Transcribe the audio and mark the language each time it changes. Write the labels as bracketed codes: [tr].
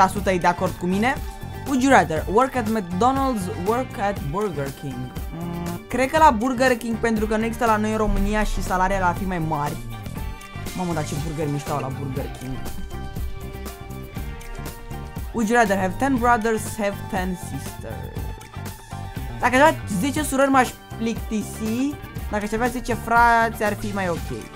[ro] 65% e de acord cu mine. [en] Would you rather work at McDonald's, work at Burger King? [ro] Cred că la Burger King, pentru că nu există la noi în România și salariile ar fi mai mari. Mamă, dar ce burgeri mișto au la Burger King. [en] Would you rather have 10 brothers, have 10 sisters? [ro] Dacă aș avea 10 surori, m-aș plictisi. Dacă aș avea 10 frați, ar fi mai ok.